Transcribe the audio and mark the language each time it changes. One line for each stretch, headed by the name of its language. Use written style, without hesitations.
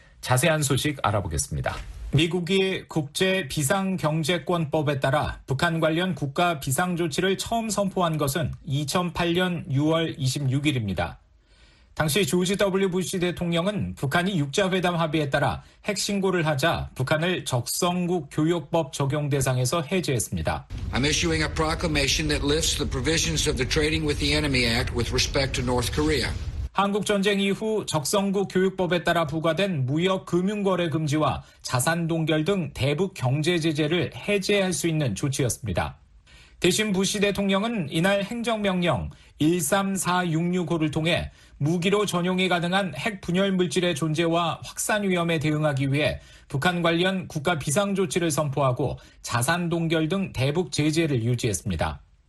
Korean: 자세한 소식 알아보겠습니다. 미국이 국제 비상경제권법에 따라 북한 관련 국가 비상조치를 처음 선포한 것은 2008년 6월 26일입니다. 당시 조지 W. 부시 대통령은 북한이 6자회담 합의에 따라 핵신고를 하자 북한을 적성국 교육법 적용 대상에서 해제했습니다.
English: I'm issuing a proclamation that lifts the provisions of the Trading with the Enemy Act with respect to North Korea.
Korean: 한국전쟁 이후 적성국 교육법에 따라 부과된 무역금융거래 금지와 자산동결 등 대북 경제 제재를 해제할 수 있는 조치였습니다. 대신 부시 대통령은 이날 행정명령 13466호를 통해 무기로 전용이 가능한 핵분열물질의 존재와 확산 위험에 대응하기 위해 북한 관련 국가 비상조치를 선포하고 자산동결 등 대북 제재를 유지했습니다.